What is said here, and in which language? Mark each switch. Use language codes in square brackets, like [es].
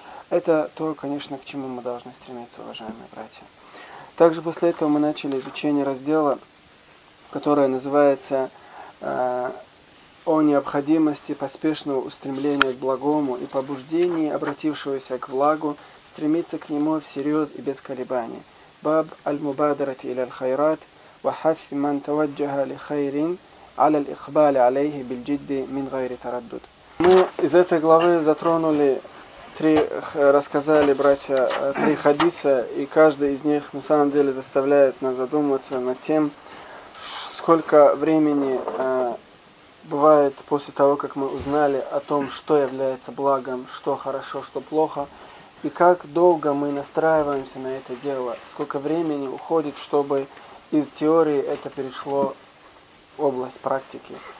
[ru] Это то, конечно, к чему мы должны стремиться, уважаемые братья. Также после этого мы начали изучение раздела, которое называется «О необходимости поспешного устремления к благому и побуждении обратившегося к благу стремиться к нему всерьез и без колебаний». [ar] «Баб аль-мубадарати или аль-хайрат» وحث من توجه لخير على الإقبال عليه بالجد من غير تردد. [ru] Мы из этой главы затронули три, рассказали, братья, три хадиса, и каждый из них на самом деле заставляет нас задуматься над тем, сколько времени бывает после того, как мы узнали о том, что является благом, что хорошо, что плохо, и как долго мы настраиваемся на это дело, сколько времени уходит, чтобы из теории это перешло в область практики.